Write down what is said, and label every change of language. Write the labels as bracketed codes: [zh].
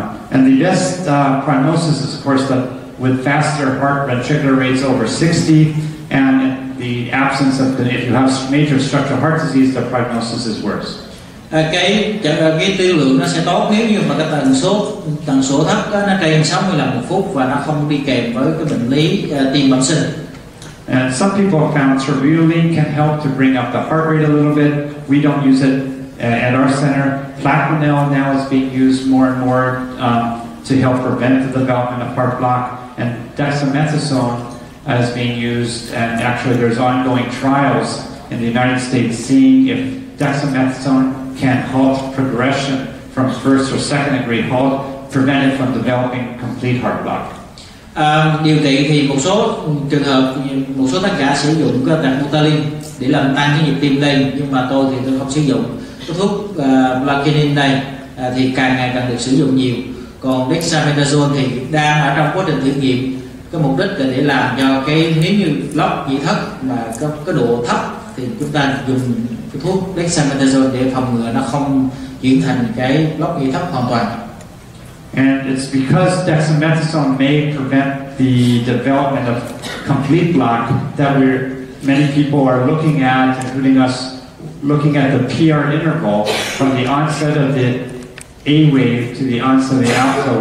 [en] And the best prognosis is of course that with faster heart ventricular rates over 60, and the absence of the, if you have major structural heart disease, the prognosis is worse. [vi] Cái tiêu lượng nó sẽ tốt nếu như mà cái tần số thấp đó, nó trên 60 lần một phút và nó không đi kèm với cái bệnh lý tim bẩm sinh. [en] And some people have found cerebrine can help to bring up the heart rate a little bit. We don't use it at our center. Plaquenil now is being used more and more to help prevent the development of heart block. And dexamethasone is being used, and actually there's ongoing trials in the United States seeing if dexamethasone can halt progression from first or second degree halt, prevent it from developing complete heart block. [vi] Điều trị thì một số trường hợp, một số tác giả sử dụng cái dexamethasone để làm tăng cái nhịp tim lên, nhưng mà tôi thì tôi không sử dụng. Cái thuốc plaquenil này thì càng ngày càng được sử dụng nhiều. Còn dexamethasone thì đang ở trong quá trình thử nghiệm, cái mục đích là để làm cho cái nếu như lóc nhĩ thất mà cái độ thấp thì chúng ta dùng cái thuốc dexamethasone để phòng ngừa nó không chuyển thành cái lóc nhĩ thất hoàn toàn. [en] And it's because dexamethasone may prevent the development of complete block that we're many people are looking at, including us looking at the PR interval from the onset of the A wave to the onset of the alpha.